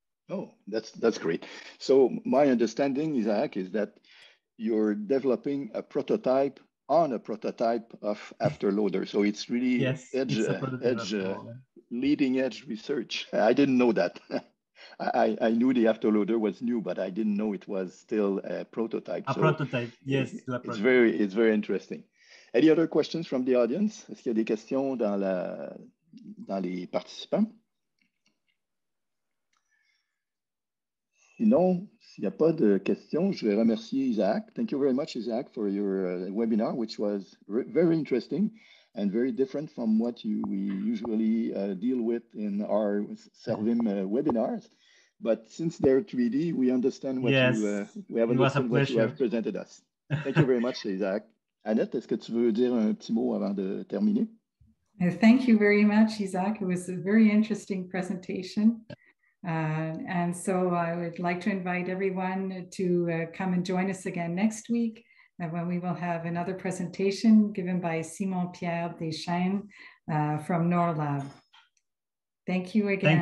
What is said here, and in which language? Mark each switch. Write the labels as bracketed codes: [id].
[en] Oh, that's great. So my understanding, Isaac, is that you're developing a prototype on a prototype of afterloader. So it's really leading edge research. I didn't know that. I knew the afterloader was new, but I didn't know it was still a prototype. It's very interesting. Any other questions from the audience? [fr] Est-ce qu'il y a des questions dans les participants? Sinon, s'il n'y a pas de questions, je vais remercier Isaac. [en] Thank you very much, Isaac, for your webinar, which was very interesting and very different from what we usually deal with in our CeRVIM webinars. But since they're 3D, we understand what what you have presented us. Thank you very much, Isaac. [fr] Annette, est-ce que tu veux dire un petit mot avant de terminer? [en] Thank you very much, Isaac. It was a very interesting presentation. And so I would like to invite everyone to come and join us again next week when we will have another presentation given by Simon-Pierre Deschaines from Norlab. Thank you again.